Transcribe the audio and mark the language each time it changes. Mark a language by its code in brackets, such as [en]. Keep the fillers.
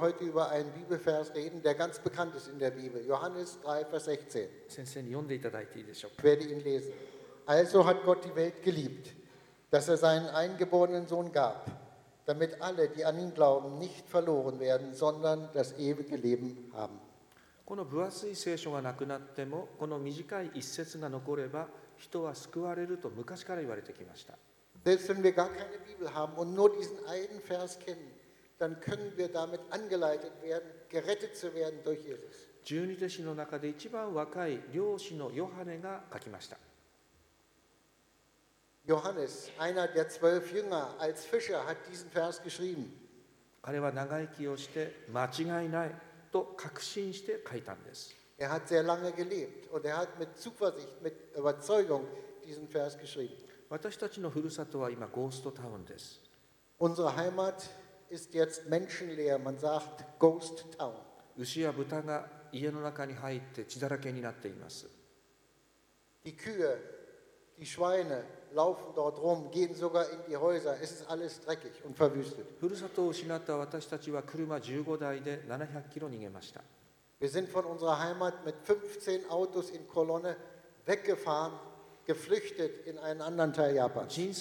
[de] heute über einen Bibelvers reden, der ganz bekannt ist in der Bibel. Johannes 3, Vers 16. Ich werde ihn lesen. Also hat Gott die Welt geliebt, dass er seinen eingeborenen Sohn gab, damit alle, die an ihn glauben, nicht verloren werden, sondern das ewige Leben haben. [ja] この分厚い聖書がなくなっても、この短い一節が残れば、人は救われると昔から言われてきました。 [de] selbst wenn wir gar keine Bibel haben und nur diesen einen Vers kennen, dann können wir damit angeleitet werden, gerettet zu werden durch Jesus. [ja] 十二弟子の中で一番若い漁師のヨハネが書きました。 [de] ヨハネス、einer der zwölf Jünger als Fischer, hat diesen Vers geschrieben。 [ja] 彼は長生きをして間違いないと確信して書いたんです。 [de] Er hat sehr lange gelebt und er hat mit Zuversicht, mit Überzeugung diesen Vers geschrieben。 [ja] 私たちのふるさとは今、ゴーストタウンです。 [de] Unsere Heimat ist jetzt menschenleer, man sagt [en] Ghost Town. [ja] 牛や豚が家の中に入って血だらけになっています。 [de] Die Kühe, die Schweine laufen dort rum, gehen sogar in die Häuser, es ist alles dreckig und verwüstet. [ja] ふるさとを失った私たちは車15台で700キロ逃げました。 [de] Wir sind von unserer Heimat mit 15 Autos in Kolonne weggefahren. geflüchtet in einen anderen Teil Japans.